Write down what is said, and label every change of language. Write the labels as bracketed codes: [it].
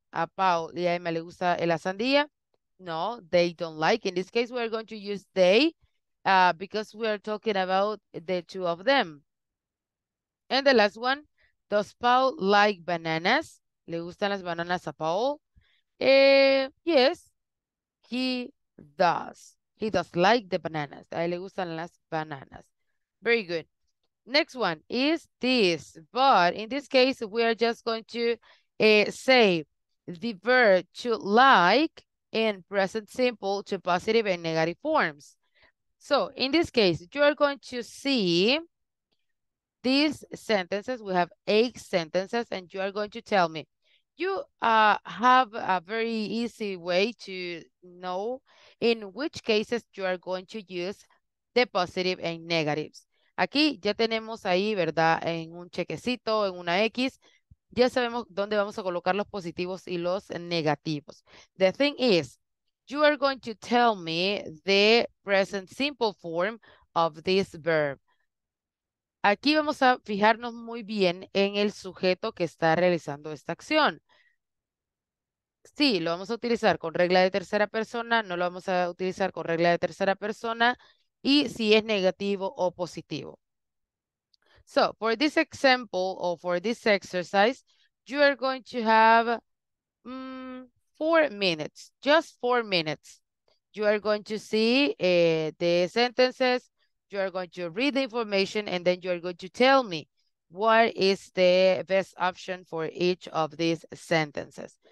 [es] A Paul y a Emma le gusta la sandía? [en] No, they don't like. In this case, we're going to use they because we are talking about the two of them. And the last one, does Paul like bananas? [es] ¿Le gustan las bananas a Paul? [en] Yes, he does. He does like the bananas. [es] A él le gustan las bananas. [en] Very good. Next one is this. But in this case, we are just going to say the verb to like in present simple to positive and negative forms. So in this case, you are going to see these sentences. We have 8 sentences and you are going to tell me. You have a very easy way to know in which cases you are going to use the positive and negatives. [es] Aquí ya tenemos ahí, ¿verdad? En un chequecito, en una X, ya sabemos dónde vamos a colocar los positivos y los negativos. [en] The thing is, you are going to tell me the present simple form of this verb. [es] Aquí vamos a fijarnos muy bien en el sujeto que está realizando esta acción. Sí, lo vamos a utilizar con regla de tercera persona, no lo vamos a utilizar con regla de tercera persona, y si es negativo o positivo. [en] So, for this example, or for this exercise, you are going to have 4 minutes, just 4 minutes. You are going to see the sentences, you are going to read the information, and then you are going to tell me what is the best option for each of these sentences.